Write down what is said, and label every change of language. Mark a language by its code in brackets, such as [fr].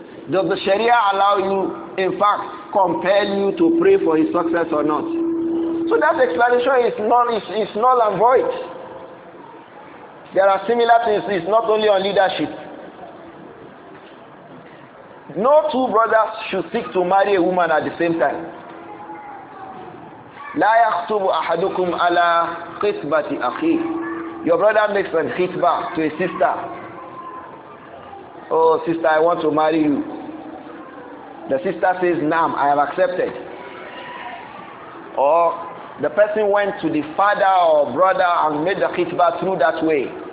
[en] Does the Sharia allow you, in fact, compel you to pray for his success or not? So that explanation is null and void. There are similar things. It's not only on leadership. No two brothers should seek to marry a woman at the same time. [ar] لا يخطب أحدكم على قصبة أخيه. [en] Your brother makes an khitbah to a sister. Oh, sister, I want to marry you. The sister says, Nam, I have accepted. Or the person went to the father or brother and made the khitbah through that way.